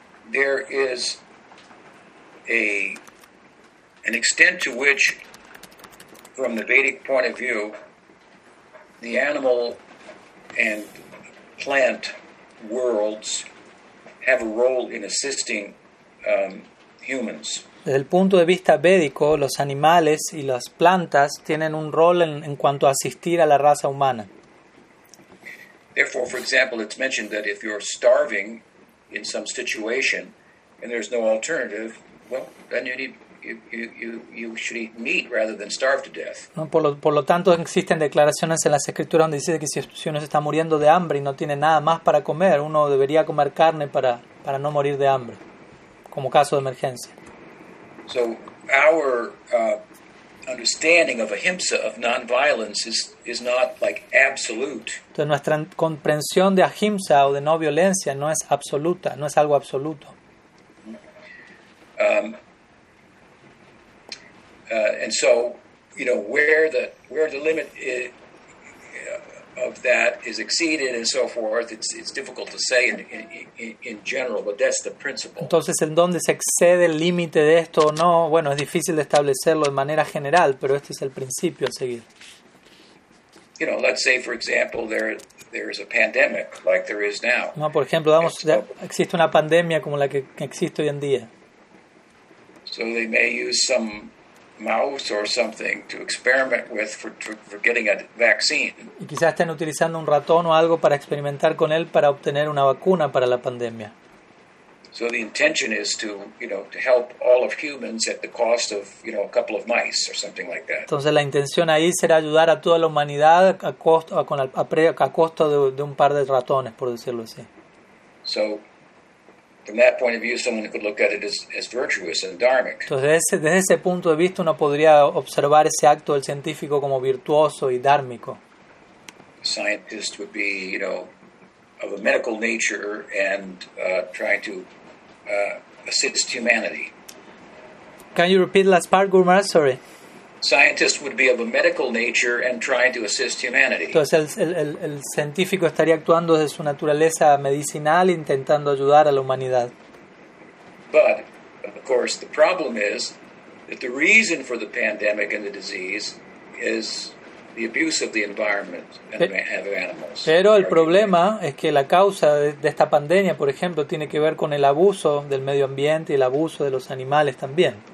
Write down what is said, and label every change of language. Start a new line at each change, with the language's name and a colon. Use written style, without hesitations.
English: There is an extent to which, from the Vedic point of view, the animal and plant worlds have a role in assisting humans.
Spanish: Desde el punto de vista védico, los animales y las plantas tienen un rol en cuanto a asistir a la raza humana.
English: Therefore, for example, it's mentioned that if you're starving in some situation and there's no alternative, well, then you need you should eat meat rather than starve to death.
Spanish: No, por lo tanto, existen declaraciones en las escrituras donde dice que si uno se está muriendo de hambre y no tiene nada más para comer, uno debería comer carne para no morir de hambre, como caso de emergencia.
English: So our understanding of ahimsa, of non-violence, is not like absolute.
Spanish: Entonces nuestra comprensión de ahimsa o de no violencia no es absoluta, no es algo absoluto.
English: And so, you know, where the limit is, of that is exceeded and so forth, it's difficult to say in general, but that's the principle.
Spanish: Entonces, ¿en dónde se excede el límite de esto o no? Bueno, es difícil de establecerlo de manera general, pero este es el principio a seguir.
English: You know, let's say, for example, there is a pandemic like there is now.
Spanish: No, por ejemplo, vamos, existe una pandemia como la que existe hoy en día.
English: So they may use some mouse or something to experiment with for getting a vaccine.
Spanish: Y quizás estén utilizando un ratón o algo para experimentar con él para obtener una vacuna para la pandemia.
English: So the intention is to, you know, to help all of humans at the cost of, you know, a couple of mice or something like that.
Spanish: Entonces la intención ahí será ayudar a toda la humanidad a costo de un par de ratones, por decirlo así.
English: So from that point of view, someone could look at it as virtuous and dharmic.
Spanish: Entonces, desde ese punto de vista, uno podría observar ese acto del científico como virtuoso y dármico.
English: Scientist would be, you know, of a medical nature and trying to assist humanity. Can you repeat the last part, Guru Maharaj? Sorry. Scientist would be of a medical nature and trying to assist humanity.
Spanish: Entonces el científico estaría actuando desde su naturaleza medicinal intentando ayudar a la humanidad.
English: But of course the problem is that the reason for the pandemic and the disease is the abuse of the environment and of animals.
Spanish: Pero el problema es que la causa de esta pandemia, por ejemplo, tiene que ver con el abuso del medio ambiente y el abuso de los animales también.